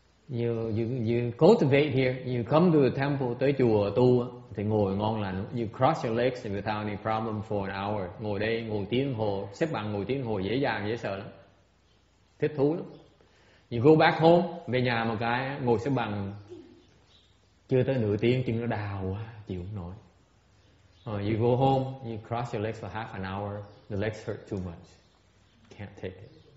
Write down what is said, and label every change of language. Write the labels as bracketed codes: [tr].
[en] You cultivate here. You come to the temple, [vi] tới chùa tu thì ngồi ngon lành. [en] You cross your legs without any problem for an hour. [vi] Ngồi đây ngồi tiếng hồ, xếp bằng ngồi tiếng hồ dễ dàng dễ sợ lắm, thích thú lắm. [en] You go back home, [vi] về nhà một cái ngồi xếp bằng chưa tới nửa tiếng chân nó đau quá chịu không nổi. [en] You go home, you cross your legs for half an hour, the legs hurt too much, can't take it.